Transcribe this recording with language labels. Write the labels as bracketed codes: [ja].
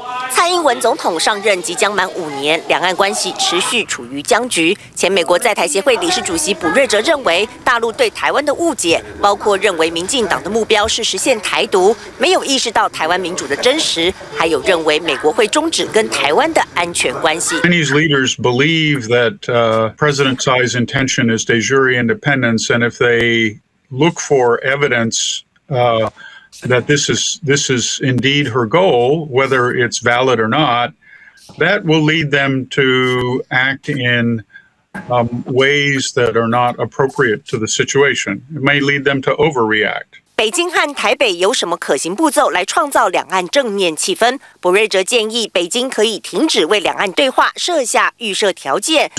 [zh] 蔡英文总统上任即将满5年，两岸关系持续处于僵局。前美国在台协会理事主席卜瑞哲认为，大陆对台湾的误解，包括认为民进党的目标是实现台独，没有意识到台湾民主的真实，还有认为美国会终止跟台湾的安全关系。 [en] Chinese leaders believe that President Tsai's intention is de jure independence, and if they look for evidence. That this is indeed her goal, whether it's valid or not, that will lead them to act in ways that are not appropriate to the situation. It may lead them to overreact. [zh] 北京和台北有什么可行步骤来创造两岸正面气氛？卜瑞哲建议北京可以停止为两岸对话设下预设条件。